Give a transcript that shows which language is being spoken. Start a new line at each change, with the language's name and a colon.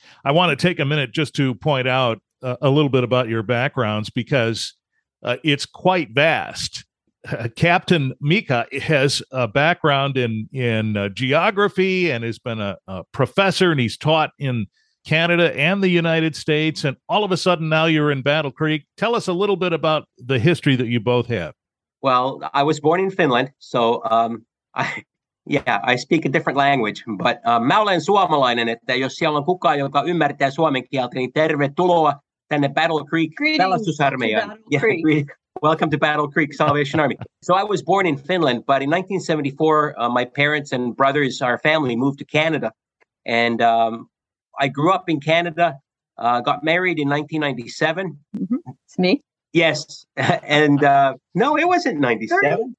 English: I want to take a minute just to point out a little bit about your backgrounds because it's quite vast. Captain Mika has a background in geography and has been a professor, and he's taught in Canada and the United States, and all of a sudden now you're in Battle Creek. Tell us a little bit about the history that you both have. Well, I was born in Finland, so I speak a different language, but
Finnish: mä olen suomalainen, että jos siellä on kukaan, joka ymmärtää suomen kieltä, niin tervetuloa tänne Battle Creek pelastusarmeijaan.
English: Welcome to Battle Creek Salvation Army. So I was born in Finland, but in 1974, my parents and brothers, our family, moved to Canada, and I grew up in Canada, got married in 1997. Mm-hmm. It's me. Yes. And no, it wasn't 97.